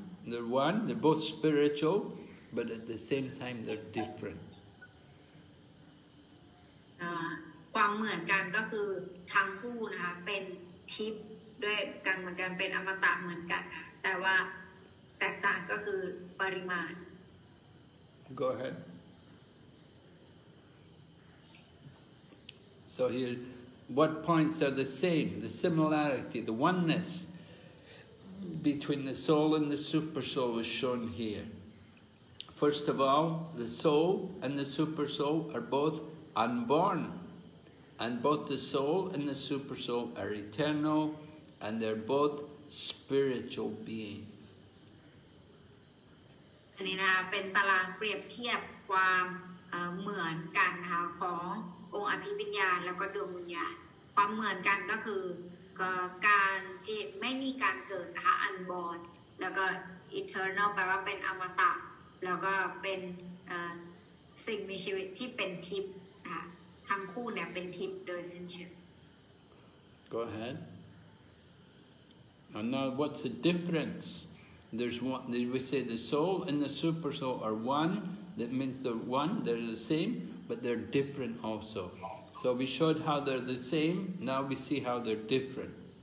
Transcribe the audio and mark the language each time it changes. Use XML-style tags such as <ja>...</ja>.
<en>They're one, they're both spiritual, but at the same time they're different.</en> <th>ความเหมือนกันก็คือทั้งคู่นะคะเป็นทิพย์ด้วยกันเหมือนกันเป็นอมตะเหมือนกันแต่ว่าแตกต่างก็คือปริมาณ</th> <en>Go ahead. So here, what points are the same, the similarity, the oneness? between the soul and the super soul is shown here. First of all, the soul and the super soul are both unborn, and both the soul and the super soul are eternal, and they're both spiritual beings.</en> <th>อันนี้นะคะเป็นตารางเปรียบเทียบความเหมือนกันนะคะขององค์อภิวิญญาณแล้วก็ดวงวิญญาณความเหมือนกันก็คือการที่ไม่มีการเกิดนะคะอันบอนแล้วก็อีเทอร์นอลแปลว่าเป็นอมตะแล้วก็เป็นสิ่งมีชีวิตที่เป็นทิพย์นะคะทั้งคู่เนี่ยเป็นทิพย์โดยสิ้นเชิง</th> <en>Go ahead and now what's the differenceThere's one, we say the soul and the super soul are one, that means they're one, they're the same, but they're different also. So we showed how they're the same, now we see how they're different.</en>